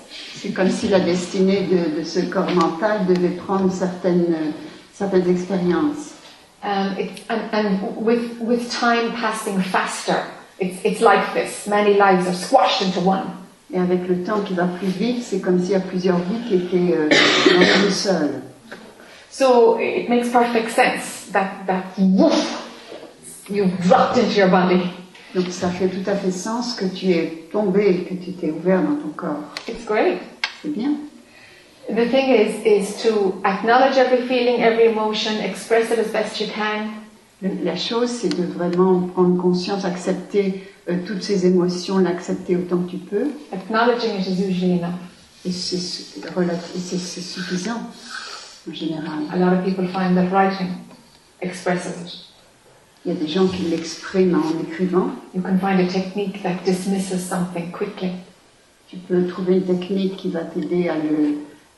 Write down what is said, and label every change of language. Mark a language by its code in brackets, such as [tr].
[fr] C'est comme si la destinée de ce corps mental devait prendre certaines expériences. [en] And with time passing faster, it's like this. Many lives are squashed into one. [fr] Et avec le temps qui va plus vite, c'est comme s'il y a plusieurs vies qui étaient dans une seule. [en] So it makes perfect sense that woof, you've dropped into your body. [fr] Donc ça fait tout à fait sens que tu es tombé, que tu t'es ouvert dans ton corps. [en] It's great. [fr] C'est bien. [en] The thing is to acknowledge every feeling, every emotion, express it as best you can. [fr] La chose, c'est de vraiment prendre conscience, accepter toutes ces émotions, l'accepter autant que tu peux. [en] Acknowledging it is usually enough. [fr] Et c'est suffisant, en général. [en] A lot of people find that writing expresses it. [fr] Il y a des gens qui l'expriment en écrivant. [en] You can find a technique that dismisses something quickly. [fr] Tu peux trouver une technique qui va t'aider à le...